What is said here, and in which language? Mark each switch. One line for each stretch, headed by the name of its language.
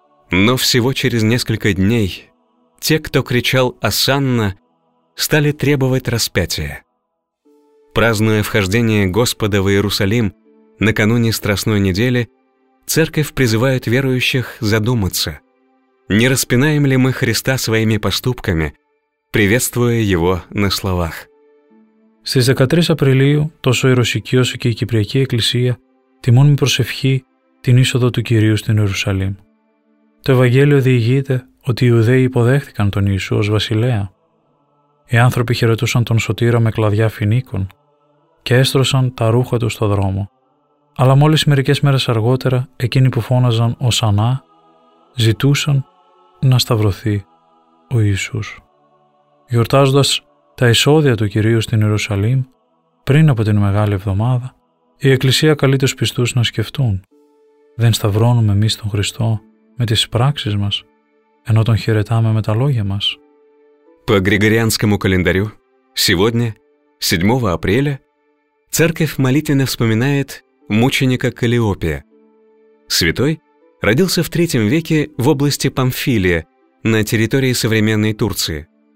Russian: Но всего через несколько дней те, кто кричал «Осанна», стали требовать распятия. Празднуя вхождение Господа в Иерусалим накануне Страстной недели, Церковь призывает верующих задуматься, не распинаем ли мы Христа своими поступками, приветствуя Его на словах.
Greek: Στις 13 Απριλίου, τόσο η Ρωσική όσο και η Κυπριακή Εκκλησία τιμούν με προσευχή την είσοδο του Κυρίου στην Ιερουσαλήμ. Το Ευαγγέλιο διηγείται ότι οι Ιουδαίοι υποδέχθηκαν τον Ιησού ως βασιλέα. Οι άνθρωποι χαιρετούσαν τον Σωτήρα με κλαδιά φινίκων και έστρωσαν τα ρούχα του στο δρόμο. Αλλά μόλις μερικές μέρες αργότερα, εκείνοι που φώναζαν «Οσανά» ζητούσαν να σταυρωθεί ο Ιησούς. Γιορτάζοντας τα εισόδια του Κυρίου στην Ιερουσαλήμ, πριν από την Μεγάλη Εβδομάδα, η Εκκλησία καλεί τους πιστούς να σκεφτούν: «Δεν σταυρώνουμε εμείς τον Χριστό με τις πράξεις μας, ενώ τον χαιρετάμε με τα λόγια μας.
Russian: По григорианскому календарю сегодня, 7 апреля, церковь молитвенно вспоминает мученика Каллиопия. Святой родился в 3 веке в области Памфилия на территории современной Турции.